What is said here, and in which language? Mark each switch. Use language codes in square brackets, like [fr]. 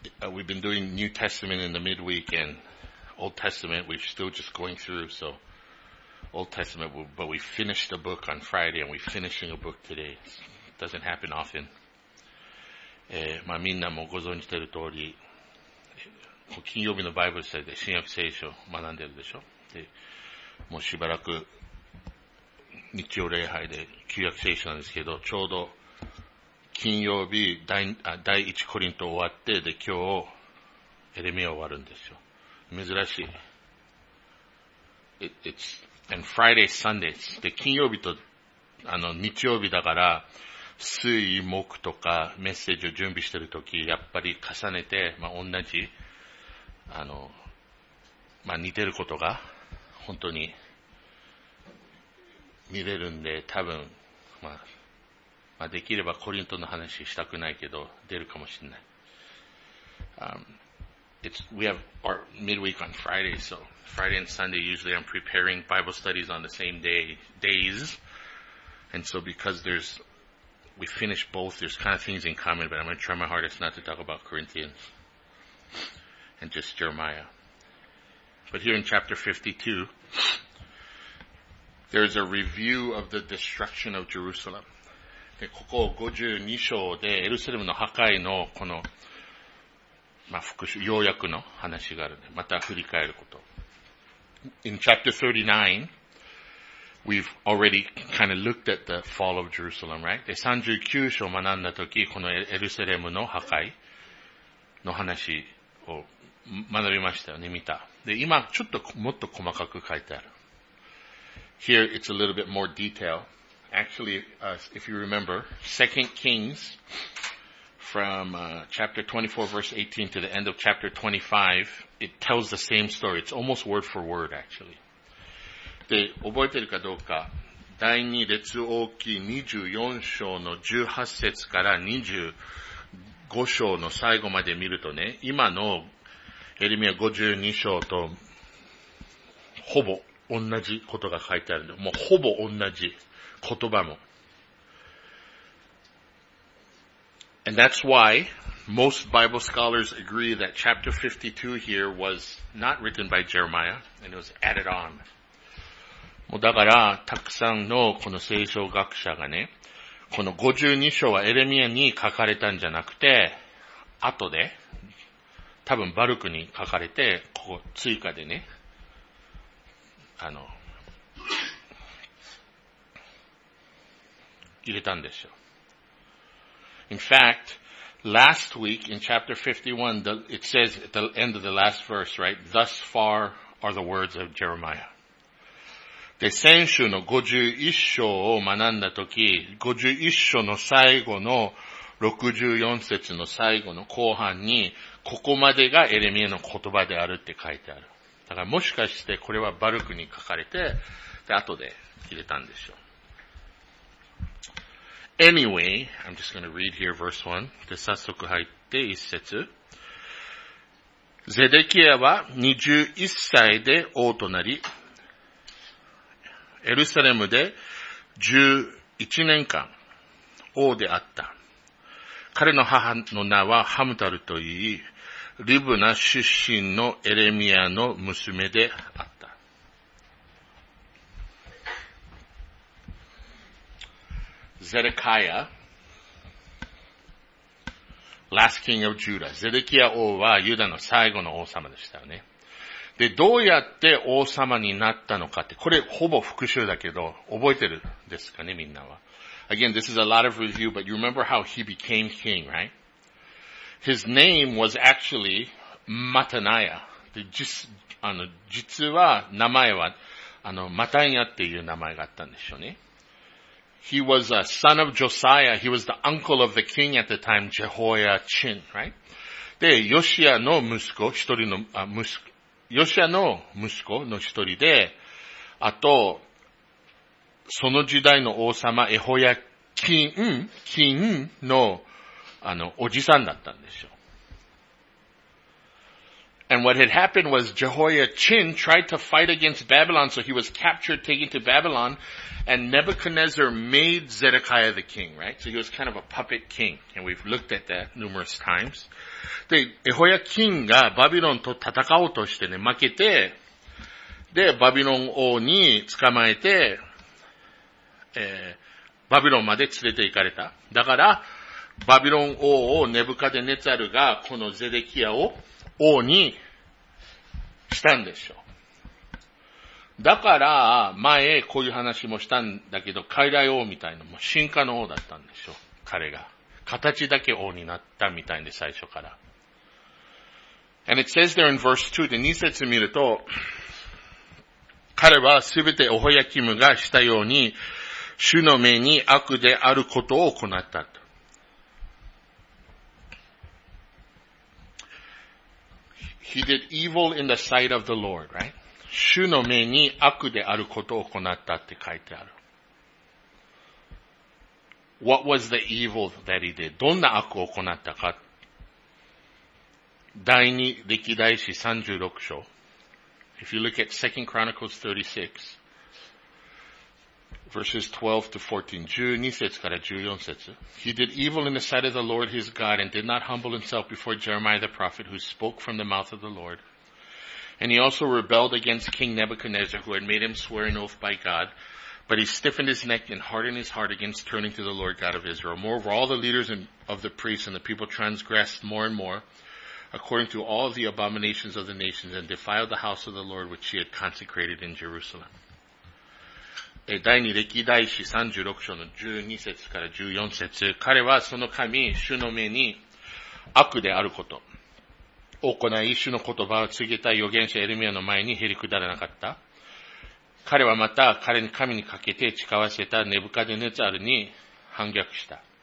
[en] We've been doing New Testament in the midweek and Old Testament. We're still just going through, so Old Testament. But we finished a book on Friday, and we're finishing a book today. It doesn't happen often. [ja] まあみんなもご存知ている通り、金曜日のバイブル祭で新約聖書を学んでるでしょ。で、もうしばらく日曜礼拝で旧約聖書なんですけど、ちょうど金曜日第1コリント終わって、で今日エレミア終わるんですよ。珍しい。 [en] And Friday Sunday [ja] で金曜日と日曜日だから、水木とかメッセージを準備してるとき、やっぱり重ねて、まあ、同じ、まあ、似てることが本当に見れるんで、多分、まあ、できればコリントの話したくないけど、出るかもしれない。 [en] We have our midweek on Friday, so Friday and Sunday usually I'm preparing Bible studies on the same days. And so because we finish both, there's kind of things in common, but I'm going to try my hardest not to talk about Corinthians and just Jeremiah. But here in chapter 52, there's a review of the destruction of Jerusalem. [ja] で、ここ52章でエルサレムの破壊のこの、まあ、復習、要約の話があるので、また振り返ること。 [en] In chapter 39,We've already kind of looked at the fall of Jerusalem, right? [ja] で、39章を学んだとき、このエルサレムの破壊の話を学びましたよね、見た。で、今、ちょっともっと細かく書いてある。 [en] Here, it's a little bit more detail. Actually, if you remember, 2 Kings from chapter 24, verse 18 to the end of chapter 25, it tells the same story. It's almost word for word, actually. [ja] で、覚えてるかどうか。第二列王記24章の18節から25章の最後まで見るとね、今のエレミア52章とほぼ同じことが書いてあるの。もうほぼ同じ言葉も。 [en] And that's why most Bible scholars agree that chapter 52 here was not written by Jeremiah and it was added on. [ja] だから、たくさんのこの聖書学者がね、この52章はエレミアに書かれたんじゃなくて、後で、多分バルクに書かれて、ここ追加でね、入れたんですよ。 [en] In fact, last week in chapter 51, it says at the end of the last verse, right? Thus far are the words of Jeremiah. [ja] で、先週の51章を学んだとき、51章の最後の64節の最後の後半に、ここまでがエレミアの言葉であるって書いてある。だからもしかしてこれはバルクに書かれて、で、後で入れたんでしょう。 [en] Anyway, I'm just going to read here verse 1. [ja] で、早速入って1節。ゼデキヤは21歳で王となり、エルサレムで11年間王であった。彼の母の名はハムタルといい、リブナ出身のエレミアの娘であった。 [en] ゼデキヤ、Last King of Judah。 [ja] ゼデキヤ王はユダの最後の王様でしたよね。で、どうやって王様になったのかって、これほぼ復習だけど、覚えてるですかね、みんなは。 [en] Again, this is a lot of review, but you remember how he became king, right? His name was actually Mataniah. で、 [ja] 実は名前は、マタニアっていう名前があったんでしょうね。 [en] He was a son of Josiah. He was the uncle of the king at the time, Jehoiachin, right? [ja] で、ヨシアの息子、一人の、息子、ヨシアの息子の一人で、あと、その時代の王様、エホヤキン、キンの、おじさんだったんでしょう。 [en] And what had happened was Jehoiachin tried to fight against Babylon, so he was captured, taken to Babylon, and Nebuchadnezzar made Zedekiah the king, right? So he was kind of a puppet king, and we've looked at that numerous times. [ja] で、エホヤキンがバビロンと戦おうとしてね、負けて、で、バビロン王に捕まえて、バビロンまで連れて行かれた。だから、バビロン王をネブカデネツァルがこのゼデキアを王にしたんでしょう。だから、前こういう話もしたんだけど、傀儡王みたいなのも進化の王だったんでしょう。彼が。形だけ王になったみたいで、最初から。 [en] And it says there in verse 2, [ja] で、2節見ると、彼はすべてオホヤキムがしたように、主の目に悪であることを行ったと。 [en] He did evil in the sight of the Lord, right? [ja] 主の目に悪であることを行ったって書いてある。 [en] What was the evil that he did? [ja] どんな悪を行ったか。第二歴代史三十六章。 [en] If you look at 2 Chronicles 36, verses 12 to 14, [ja] 12節から14節。 [en] He did evil in the sight of the Lord his God and did not humble himself before Jeremiah the prophet who spoke from the mouth of the Lord. And he also rebelled against King Nebuchadnezzar who had made him swear an oath by God. But he stiffened his neck and hardened his heart against turning to the Lord God of Israel. Moreover, all the leaders of the priests and the people transgressed more and more according to all the abominations of the nations and defiled the house of the Lord which he had consecrated in Jerusalem. [ja] 第二歴代史三十六章の十二節から十四節。彼はその神、主の目に悪であること。行い、主の言葉を告げた預言者エレミアの前にへりくだらなかった。彼はまた彼に神にかけて誓わせたネブカデネザルに反逆した。